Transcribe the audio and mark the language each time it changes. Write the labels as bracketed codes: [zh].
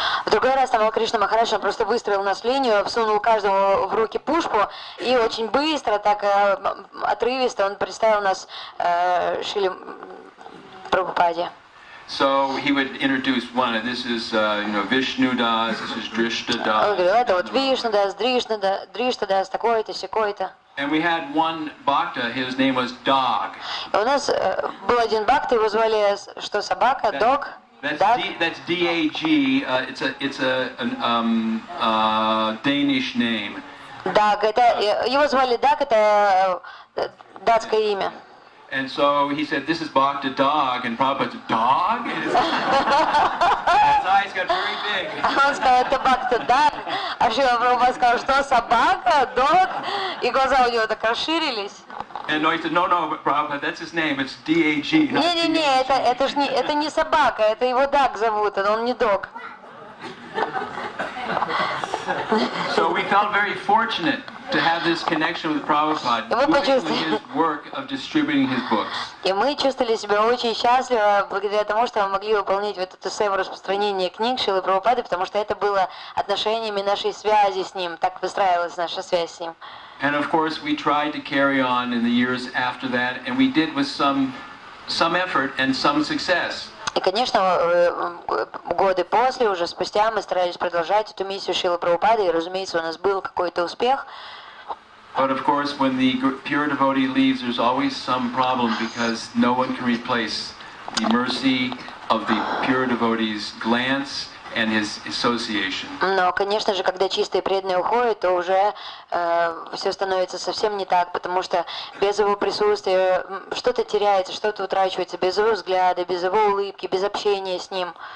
[ru] В другой раз Тамакришна Махарадж просто выстроил нас в линию, всунул каждому в руки пушку и очень быстро, так отрывисто, он представил нас Шриле Прабхупаде. [en] So he would introduce one, and this is Vishnu Das, this is Drishta Das. [ru] Это вот Вишну Дас, Дришта Дас, такой-то, сякой-то. [en] And we had one bhakta, his name was Dog. [ru] У нас был один бхакта, его звали что, собака, Dog? [en] That's D-A-G, it's a Danish name. [ru] Dog, его звали Dog, это датское имя. [en] And so he said, this is Bhakta Dog, and Prabhupada said, Dog? And his eyes got very big. [ru] Он сказал, это Бхакта Дог. А Шрила Прабхупада сказал, что собака, Дог? И глаза у него так расширились. [en] And he said, no, Prabhupada, that's his name, it's D-A-G. [ru] Не-не-не, это не собака, это его Дог зовут, он не Дог. [en] So we felt very fortunate to have this connection with Prabhupada, doing his work of distributing his books. [ru] И мы чувствовали себя очень счастливо благодаря тому, что мы могли выполнить вот эту сферу распространения книг Шрилы Прабхупады, потому что это было отношениями нашей связи с ним, так выстраивалась наша связь с ним. [en] And of course, we tried to carry on in the years after that, and we did with some effort and some success. [ru] И, конечно, годы после, уже спустя, мы старались продолжать эту миссию Шрилы Прабхупады, и, разумеется, у нас был какой-то успех. [en] But of course, when the pure devotee leaves, there's always some problem because no one can replace the mercy of the pure devotee's glance and his association. [ru] Но, конечно же, когда чистые преданные уходят, то уже все становится совсем не так, потому что без его присутствия что-то теряется, что-то утрачивается, без его взгляда, без его улыбки, без общения с ним.